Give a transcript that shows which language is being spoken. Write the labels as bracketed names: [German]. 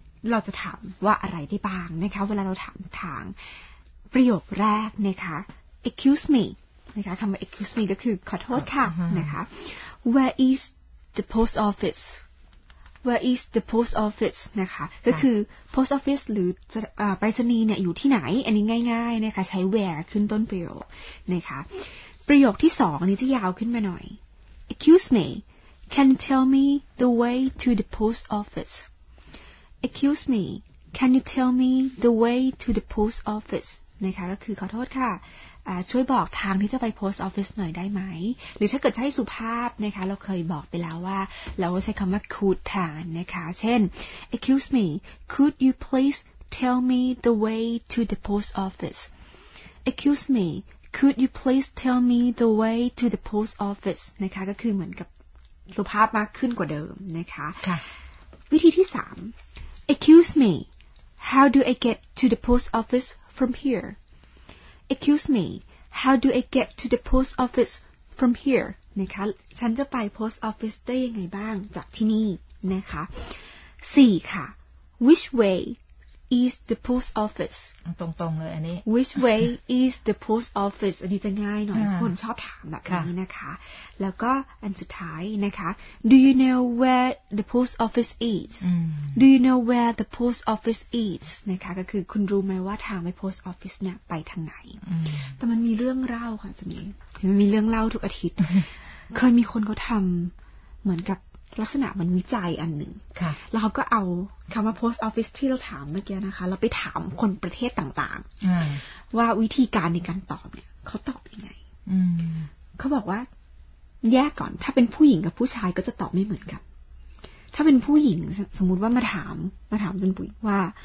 [Thai] เราจะถามว่าอะไรได้บ้างนะคะเวลาเราถามทางประโยคแรกนะคะ [English] excuse me [Thai] นะคะคำว่า excuse me ก็คือขอโทษค่ะนะคะ [English] where is the post officeWhere is the post office [Thai] นะคะก็คือ post office หรือไปรษณีย์เนี่ยอยู่ที่ไหนอันนี้ง่ายๆนะคะใช้ where ขึ้นต้นประโยคนะคะประโยคที่สองอันนี้จะยาวขึ้นมาหน่อย [English] Excuse me, can you tell me the way to the post office? Excuse me, can you tell me the way to the post office? [Thai] นะคะก็คือขอโทษค่ะช่วยบอกทางที่จะไป post office หน่อยได้ไหมหรือถ้าเกิดใช้สุภาพนะคะเราเคยบอกไปแล้วว่าเราใช้คำว่า could แทนนะคะเช่น [English] excuse me could you please tell me the way to the post office [Thai] excuse me could you please tell me the way to the post office นะคะก็คือเหมือนกับสุภาพมากขึ้นกว่าเดิมนะคะ ค่ะ วิธีที่3 [English] excuse me how do I get to the post office from hereExcuse me, how do I get to the post office from here? [Thai] นะคะฉันจะไป post office ได้ยังไงบ้างจากที่นี่นะคะ 4 ค่ะ [English] Which way is the post office? [Thai] ตรงๆเลยอันนี้ [English] Which way is the post office? [Thai] อันนี้จะง่ายหน่อย คนชอบถามแบบนี้นะคะแล้วก็อันสุดท้ายนะคะ [English] Do you know where the post office is? Do you know where the post office is? [Thai] นะคะก็คือคุณรู้ไหมว่าทางไป post office เนี่ยไปทางไหนแต่มันมีเรื่องเล่าค่ะสมิงมันมีเรื่องเล่าทุกอาทิตย์เคยมีคนเขาทำเหมือนกับลักษณะมันวิจัยอันหนึ่งแล้วเขาก็เอาคำว่า post office ที่เราถามเมื่อกี้นะคะเราไปถามคนประเทศต่างๆว่าวิธีการในการตอบเนี่ยเขาตอบยังไงเขาบอกว่าแยกก่อนถ้าเป็นผู้หญิงกับผู้ชายก็จะตอบไม่เหมือนกันถ้าเป็นผู้หญิงสมมติว่ามาถามจันปุ๋ยว่า